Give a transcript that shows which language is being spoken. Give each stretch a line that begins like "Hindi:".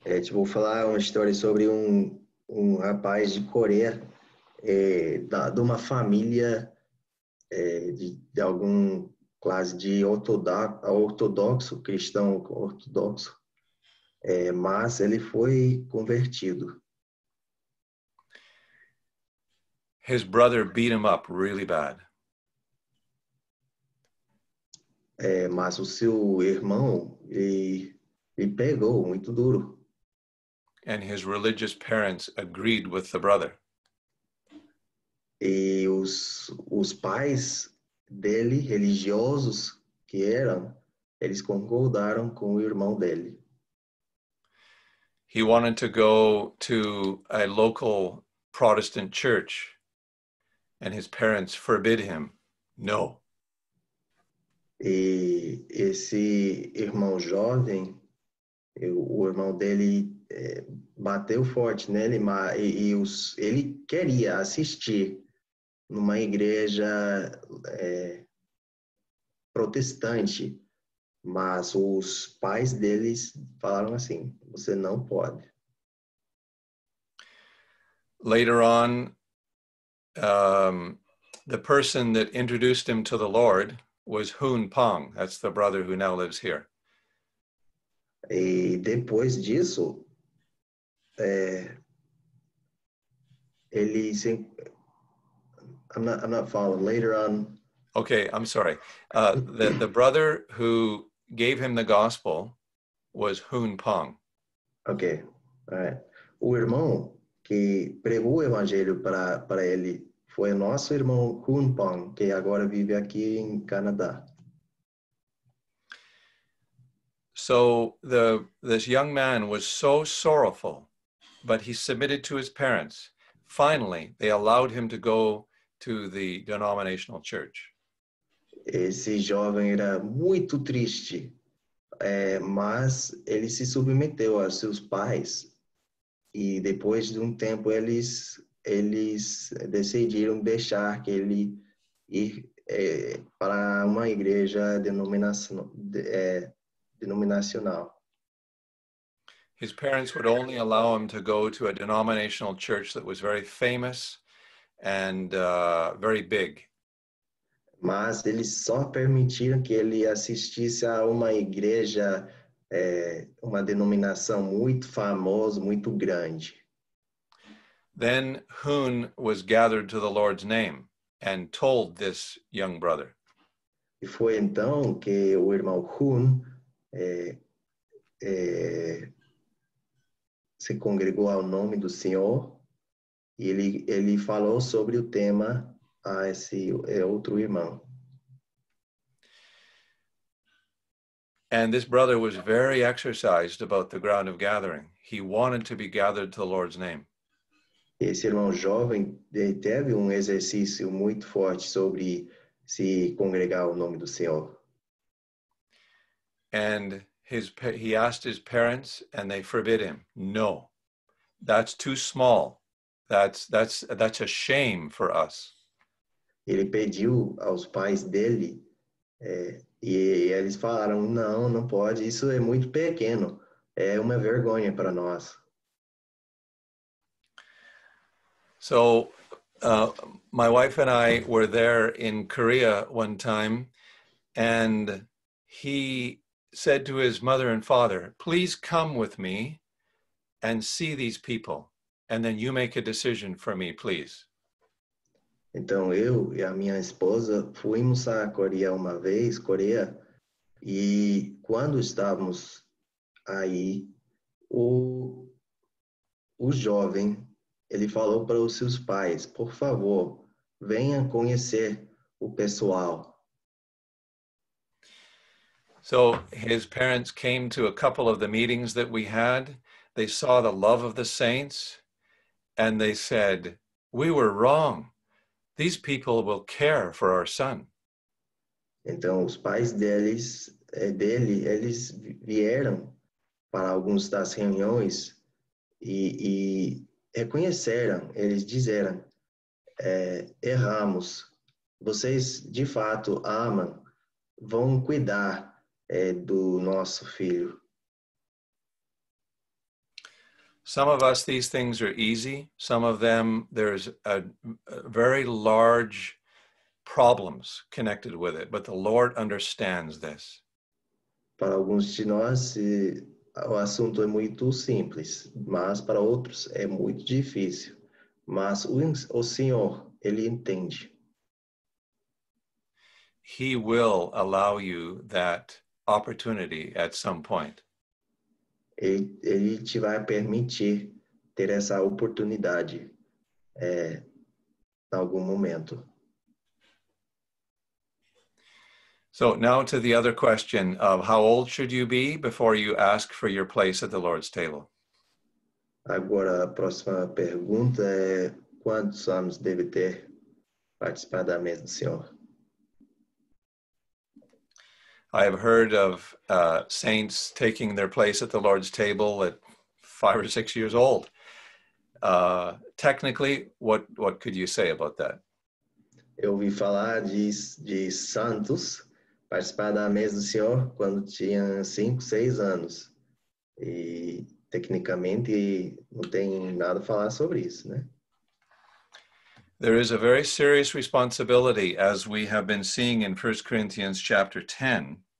Portuguese: Vou falar uma história sobre um rapaz de Coreia, de uma família de algum classe de ortodoxo, cristão ortodoxo, mas ele foi convertido.
English: His brother beat him up really bad.
Portuguese: Mas o seu irmão ele pegou muito duro.
English: And his religious parents agreed with the brother.
Portuguese: E os pais dele, religiosos que eram, eles concordaram com o irmão dele.
English: He wanted to go to a local Protestant church, and his parents forbid him. No.
Portuguese: E esse irmão jovem, o irmão dele bateu forte nele, mas ele queria assistir numa igreja protestante, mas os pais deles falaram assim: você não pode.
English: Later on, the person that introduced him to the Lord was Hoon Pong. That's the brother who now lives here.
Portuguese: E depois disso, ele se
English: I'm not following. Later on. Okay, I'm sorry. The brother who gave him the gospel was Hun Pong. Okay, all right.
Portuguese: O irmão que pregou o evangelho para ele foi nosso irmão Hun Pong, que agora vive aqui em Canadá.
English: So this young man was so sorrowful, but he submitted to his parents. Finally, they allowed him to go to the denominational church.
Portuguese: Esse jovem era muito triste, mas ele se submeteu aos seus pais. E depois de tempo, eles decidiram deixar que ele ir para uma igreja denominacional.
English: His parents would only allow him to go to a denominational church that was very famous and very big.
Portuguese: Mas eles só permitiram que ele assistisse a uma igreja, uma denominação muito famosa, muito grande.
English: Then Hun was gathered to the Lord's name and told this young brother.
Portuguese: E foi então que o irmão Hun se congregou ao nome do Senhor e ele falou sobre o tema a esse outro irmão.
English: And this brother was very exercised about the ground of gathering. He wanted to be gathered to the Lord's name.
Portuguese: Esse irmão jovem teve exercício muito forte sobre se congregar ao nome do Senhor.
English: And he asked his parents and they forbid him. No, that's too small. That's a shame for us.
Portuguese: Ele pediu aos pais dele e eles falaram, não pode, isso é muito pequeno. É uma vergonha para nós.
English: So, my wife and I were there in Korea one time and he said to his mother and father, please come with me and see these people and then you make a decision for me, please.
Portuguese: Então eu e a minha esposa fomos à Coreia uma vez, Coreia, e quando estávamos aí, o jovem, ele falou para os seus pais, por favor, venha conhecer o pessoal.
English: So his parents came to a couple of the meetings that we had. They saw the love of the saints and they said, we were wrong. These people will care for our son.
Portuguese: Então os pais eles vieram para algumas das reuniões e reconheceram, eles disseram, erramos. Vocês de fato amam, vão cuidar do nosso filho.
English: Some of us, these things are easy. Some of them, there's a very large problems connected with it. But the Lord understands this.
Portuguese: Para alguns de nós, o assunto é muito simples. Mas para outros, é muito difícil. Mas o Senhor, ele entende.
English: He will allow you that opportunity at some point.
Portuguese: Ele te vai permitir ter essa oportunidade em algum momento.
English: So now to the other question of how old should you be before you ask for your place at the Lord's table.
Portuguese: Agora a próxima pergunta é quantos anos deve ter participar da mesa do Senhor?
English: I have heard of saints taking their place at the Lord's table at 5 or 6 years old. Technically, what could you say about that?
Portuguese: Eu ouvi falar de santos participar da mesa do Senhor quando tinha 5, 6 anos. E tecnicamente não tem nada a falar sobre isso, né?
English: There is a very serious responsibility, as we have been seeing in 1 Corinthians chapter 10.